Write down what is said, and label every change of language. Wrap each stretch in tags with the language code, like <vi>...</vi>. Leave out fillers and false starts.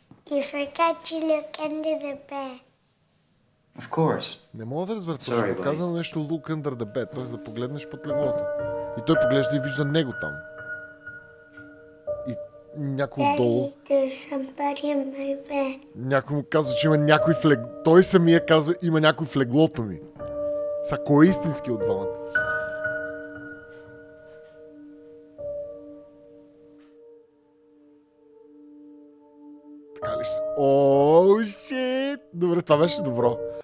<en>If I catch you, look under the bed. Of course.</en> <bg>Не мога да разбера, че е казано нещо</bg> <en>look under the bed,</en> <bg>т.е. да погледнеш под леглото. И той поглежда и вижда него там. И някой</bg> <en>Daddy,</en> <bg>долу...</bg> <en>There's somebody in my bed.</en> <bg>Някой му казва, че има някой в леглото. Той самия казва, има някой в леглото ми. Са, кой е истински от двамата? Оу, шит! Добре, това беше добро.</bg>